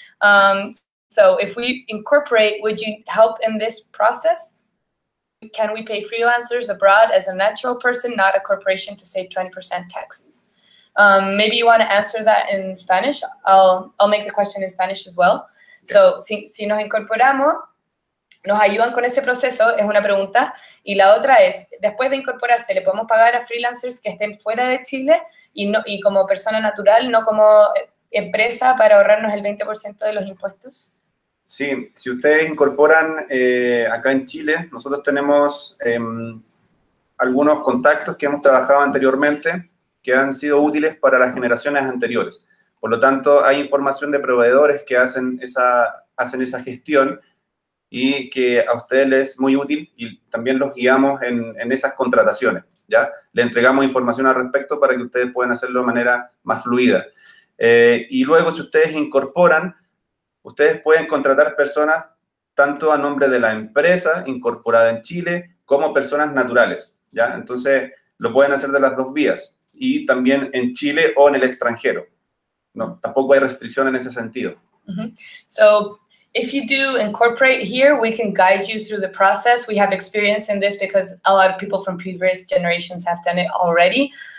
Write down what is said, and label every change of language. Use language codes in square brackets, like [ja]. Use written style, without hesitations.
[en] So if we incorporate, would you help in this process? Can we pay freelancers abroad as a natural person, not a corporation, to save 20% taxes? Maybe you want to answer that in Spanish. I'll make the question in Spanish as well. Okay. [es] So, si nos incorporamos, nos ayudan con ese proceso, es una pregunta. Y la otra es, después de incorporarse, ¿le podemos pagar a freelancers que estén fuera de Chile y como persona natural, no como empresa, para ahorrarnos el 20% de los impuestos? Sí, si ustedes incorporan acá en Chile, nosotros tenemos algunos contactos que hemos trabajado anteriormente que han sido útiles para las generaciones anteriores. Por lo tanto, hay información de proveedores que hacen esa gestión y que a ustedes les es muy útil y también los guiamos en esas contrataciones, ¿ya? Le entregamos información al respecto para que ustedes puedan hacerlo de manera más fluida. Y luego, si ustedes incorporan, ustedes pueden contratar personas tanto a nombre de la empresa incorporada en Chile como personas naturales, ¿ya? Entonces, lo pueden hacer de las dos vías y también en Chile o en el extranjero. No, tampoco hay restricción en ese sentido. Mm-hmm. [en] So, if you do incorporate here, we can guide you through the process. We have experience in this because a lot of people from previous generations have done it already.